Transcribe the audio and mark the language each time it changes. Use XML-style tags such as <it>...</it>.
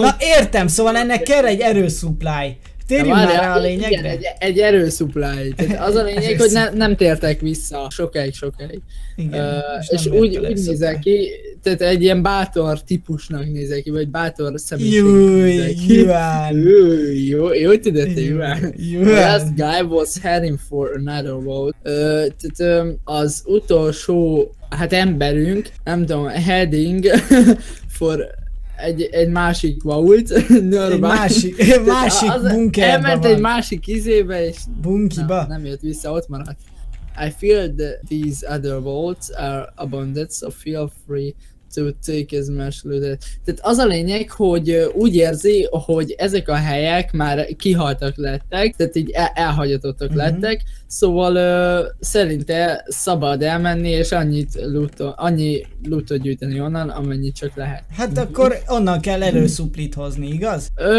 <hu>Na értem, szóval ennek kell egy erőszuplájt. Térjünk már rá a lényegre. Igen, egy erőszuplály. Az a lényeg, hogy nem tértek vissza sokáig. Igen, és úgy nézel ki, tehát egy ilyen bátor típusnak nézel ki, vagy bátor személyiségű nézel ki. Júj, jó tudod, Júj.</hu> <en>The last guy was heading for another world.</en> <hu>Tehát az utolsó, hát emberünk, nem tudom,</hu> <en>heading for...</en> <hu>Egy másik vault, Egy másik bunkerbe van. Elment egy másik izébe, és... Bunkiba? Na, nem jött vissza, ott maradt.</hu> <en>I feel that these other vaults are abundant, so feel free to take as much loot.</en> <hu>Tehát az a lényeg, hogy úgy érzi, hogy ezek a helyek már kihaltak lettek, tehát így elhagyatottak mm-hmm. lettek, szóval szerinte szabad elmenni, és annyi lootot gyűjteni onnan, amennyit csak lehet. Hát akkor onnan kell erőszuplit hozni, igaz?</hu>